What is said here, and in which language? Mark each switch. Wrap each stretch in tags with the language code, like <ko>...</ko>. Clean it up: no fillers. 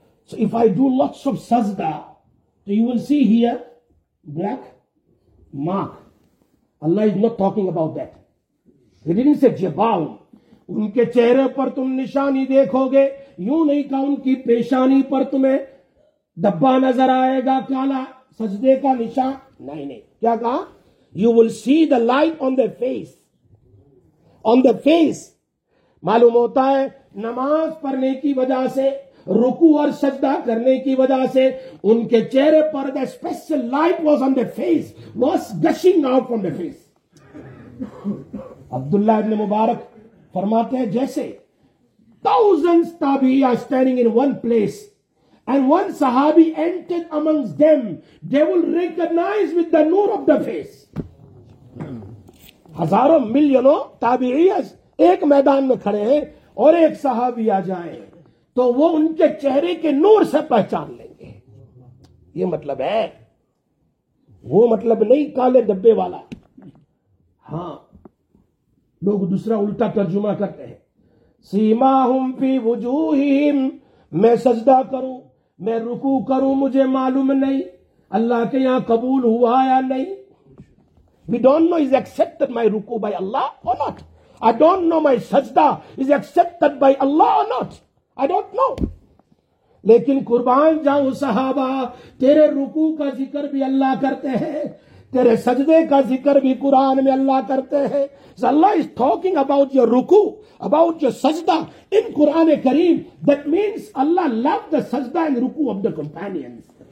<en>so if I do lots of سجدا تو you will see here black mark, Allah is not talking about that, he didn't say جباہم,</en> <ur>ان کے چہرے پر تم نشانی دیکھو گے, یوں نہیں کہا ان کی پیشانی پر تمہیں دبا نظر آئے گا کالا سجدے کا نشان, نہیں نہیں, کیا کہا,</ur> <en>You will see the light on the face, on the face.</en> <ur>معلوم ہوتا ہے نماز پڑھنے کی وجہ سے, رکوع اور سجدہ کرنے کی وجہ سے ان کے چہرے پر</ur> <en>the special light was on the face,</en> <ur>was gushing out from the face.</ur> <en>Abdullah ibn Mubarak</en> <ur>فرماتے ہیں جیسے</ur> <en>Thousand تابعی are standing in one place and one صحابی entered amongst them, they will recognise with the نور of the face.</en> <ur>ہزاروں ملینوں تابعی ایک میدان میں کھڑے ہیں اور ایک صحابی آ جائیں تو وہ ان کے چہرے کے نور سے پہچان لیں گے. یہ مطلب ہے, وہ مطلب نہیں کالے ڈبے والا. ہاں لوگ دوسرا الٹا ترجمہ کرتے ہیں, سیما ہم فی وجوہہم, میں سجدہ کروں میں رکوع کروں مجھے معلوم نہیں اللہ کے یہاں قبول ہوا یا نہیں,</ur> <en>we don't know is accepted my رکوع by Allah or not, I don't know</en> <ur>مائی سجدہ از ایکسپٹڈ بائی اللہ اور ناٹ, آئی ڈونٹ نو. لیکن قربان جاؤں صحابہ, تیرے رکوع کا ذکر بھی اللہ کرتے ہیں, تیرے سجدے کا ذکر بھی قرآن میں اللہ کرتے ہیں.</ur> <en>So Allah is talking about your ruku, about your sajda in Quran e Kareem. That means Allah loved the sajda and ruku of the companions.</en>